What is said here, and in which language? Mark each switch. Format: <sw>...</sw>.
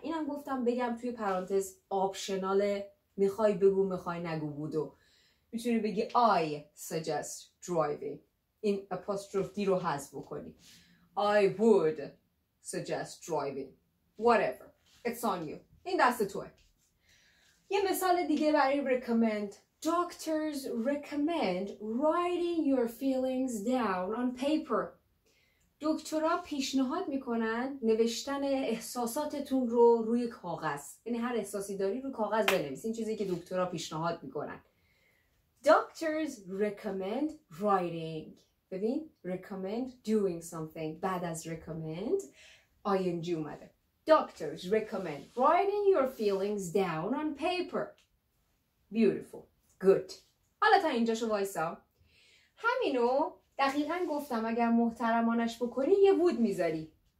<fa>اینم گفتم بگم توی پرانتز آپشناله، میخوای بگو میخوای نگو بودو. میتونی بگی</fa> <en>I suggest driving.</en> <fa>این اپوستروف دی رو حذف بکنی.</fa> <en>I would suggest driving. Whatever. It's on you.</en> <fa>این دست توه. یه مثال دیگه برای recommend.</fa> <en>Doctors recommend writing your feelings down on paper.</en> <fa>دکترها پیشنهاد میکنن نوشتن احساساتتون رو روی کاغذ، یعنی هر احساسی داری رو کاغذ بنویسین، چیزی که دکترها پیشنهاد میکنن.</fa> <en>Doctors recommend writing.</en> <fa>ببین</fa> <en>recommend doing something،</en> <fa>بعد از</fa> <en>recommend ing اومده. Doctors recommend writing your feelings down on paper. Beautiful. Good.</en> <fa>حالا تا اینجاشو وایسا. همینو دقیقا گفتم، اگر محترمانش بکنی یه وود میذاری.</fa>